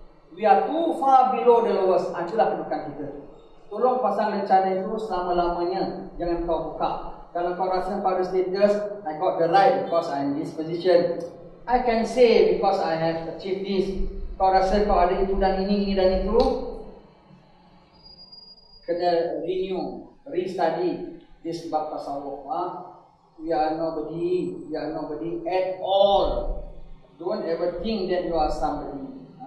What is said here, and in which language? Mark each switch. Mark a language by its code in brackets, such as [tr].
[en] We are too far below the lowest. [ms] Itulah kedudukan kita. Tolong pasang lencana itu selama-lamanya. Jangan kau buka. Kalau kau rasa pada status, [en] I got the right because I'm in this position. I can say because I have achieved this. [ms] Kau rasa kau ada itu dan ini dan itu, kena renew, restudy di sebab tasawuf. [en] We are nobody at all. Don't ever think that you are somebody.